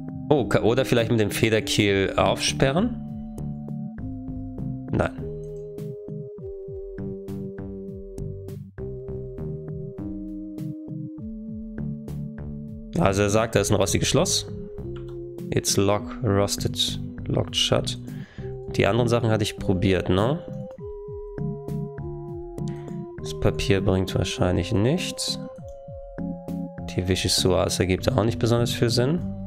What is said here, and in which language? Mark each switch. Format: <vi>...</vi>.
<de>Oder vielleicht mit dem Federkiel aufsperren? Nein. Also er sagt, das ist ein rostiges Schloss.</de> <en>It's locked, rusted, locked shut.</en> <de>Die anderen Sachen hatte ich probiert, ne? Das Papier bringt wahrscheinlich nichts. Die Vichyssoise ergibt auch nicht besonders viel Sinn.</de>